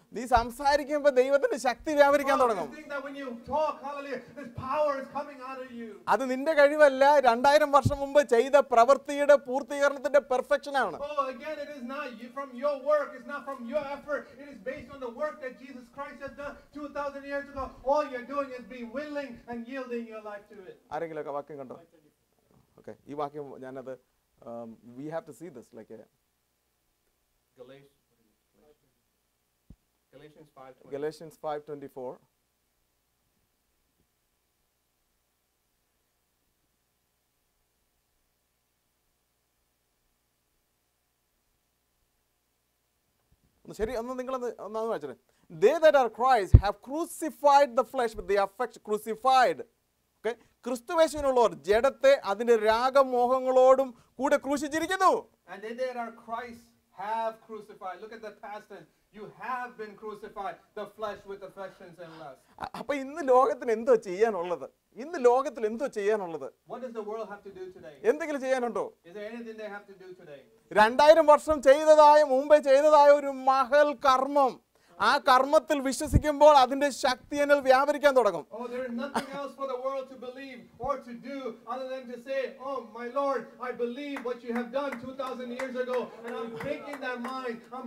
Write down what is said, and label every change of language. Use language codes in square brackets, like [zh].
[ml] നീ സംസാരിക്കുമ്പോൾ ദൈവത്തിന്റെ ശക്തി വ്യാപരിക്കാൻ തുടങ്ങും. [en] Think that when you talk, hallelujah, this power is coming out of you. [ml] അത് നിന്റെ കഴിവല്ല, 2000 വർഷം മുമ്പ് ചെയ്ത പ്രവൃത്തിയുടെ പൂർത്തീകരണത്തിന്റെ പെർഫെക്ഷൻ ആണ്. [en] Oh, again, it is not from your work, it's not from your effort, it is based on the work that Jesus Christ has done 2000 years ago. All you're doing is being willing and yielding your life to it. [ml] ആരെങ്കിലും ഒക്കെ വാക്യം കണ്ടോ? [en] Okay, [ml] ഈ വാക്യം ഞാൻ അത് [en] we have to see this like Galatians 5:24. [ml] ശരി, ഒന്ന് നിങ്ങൾ ഒന്നാമത് വായിച്ചേ. [en] They that are Christ have crucified the flesh with the affection. Crucified. Okay? [ml] ക്രിസ്തുയേശുവിനുള്ളവർ ജഡത്തെ അതിന്റെ രാഗമോഹങ്ങളോടും കൂടെ ക്രൂശിച്ചിരിക്കുന്നു. [en] And they that are Christ have crucified. Look at the past tense. You have been crucified the flesh with affections and lusts. [ml] അപ്പൊ ഇന്ന് ലോകത്തിന് എന്തോ ചെയ്യാനുള്ളത്? ഇന്ന് ലോകത്തിൽ എന്തോ ചെയ്യാനുള്ളത്? [en] What does the world have to do today? [ml] എന്തെങ്കിലും ചെയ്യാനുണ്ടോ? [en] Is there anything they have to do today? [ml] 2000 വർഷം ചെയ്തതായ മുമ്പേ ചെയ്തതായ ഒരു മഹൽ കർമ്മം, ആ കർമ്മത്തിൽ വിശ്വസിക്കുമ്പോൾ അതിന്റെ ശക്തി എന്നിൽ വ്യാപരിക്കാൻ തുടങ്ങും. [en] Oh, there is nothing else for the world to believe or to do other than to say, oh my Lord, I believe what you have done 2000 years ago and I'm making that mind.